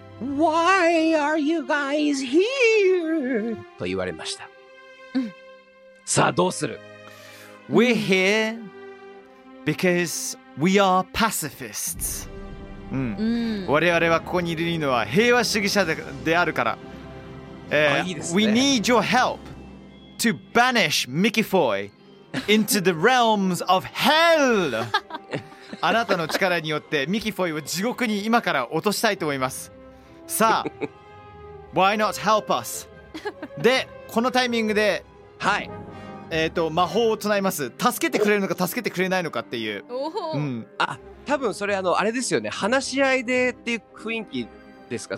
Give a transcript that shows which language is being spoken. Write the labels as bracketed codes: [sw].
[en] Why are you guys here? [ja] と言われました。うん、さあどうする [en] ？We're here because we are pacifists、うん。 [ja] 我々はここにいるのは平和主義者 であるから。いいですね。 [en] We need your help to banish Mickey Foy into the realms of hell 。 [ja] あなたの力によってミキフォイを地獄に今から落としたいと思います。さあ、 [en] Why not help us? [ja] で、このタイミングで、はい、魔法を唱えます。助けてくれるのか助けてくれないのかっていう。おうん、あ、多分それあのあれですよね。話し合いでっていう雰囲気ですか。